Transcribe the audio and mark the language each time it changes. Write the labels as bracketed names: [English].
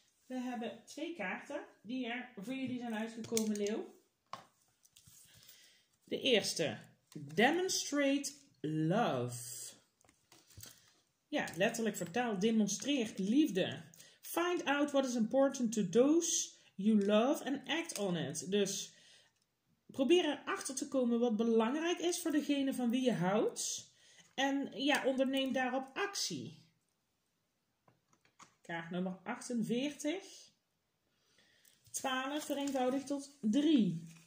[Dutch] We hebben twee kaarten die er voor jullie zijn uitgekomen, Leeuw. De eerste, [English] demonstrate love. [Dutch] Ja, letterlijk vertaald, demonstreer liefde. [English] Find out what is important to those you love and act on it. [Dutch] Dus probeer erachter te komen wat belangrijk is voor degene van wie je houdt. En ja, onderneem daarop actie. Kaart nummer 48. 12 vereenvoudigd tot 3.